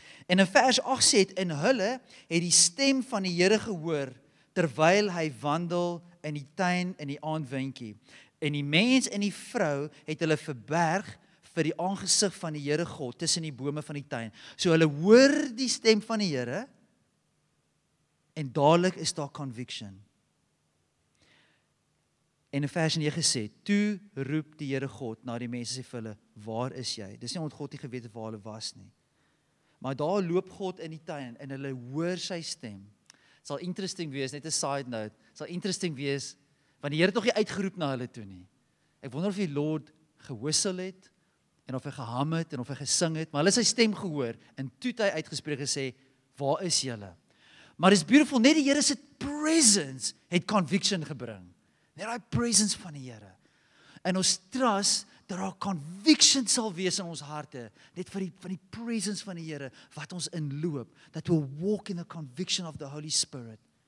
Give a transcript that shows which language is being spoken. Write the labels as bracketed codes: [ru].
[af] En in vers 8 sê het, en hulle het die stem van die Here gehoor, terwyl hy wandel in die tuin in die aandwindjie. En die mens en die vrou het hulle verberg, vir die aangesig van die Here God, tussen die bome van die tuin. So hulle hoor die stem van die Here. En dadelijk is daar conviction. En in vers 9 gesê, toe roep die Heere God, na die mense sê vir hulle, waar is jy? Dis nie omdat God nie geweet waar hulle was nie. Maar daar loop God in die tuin, en hulle hoor sy stem. Het sal interesting wees, net een side note, het sal interesting wees, want die Heere het nog nie uitgeroep na hulle toe nie. Ek wonder of die Lord gewissel het, en of hy geham het, en of hy gesing het, maar hulle sy stem gehoor, en toe het hy uitgesprek gesê, waar is julle? Maar is beautiful, net die Here se presence het conviction gebring. Net die presence van die Here. En ons trust dat daar conviction sal wees in ons harte, net van die presence van die Here wat ons inloop, [en] that we walk in the conviction of the Holy Spirit.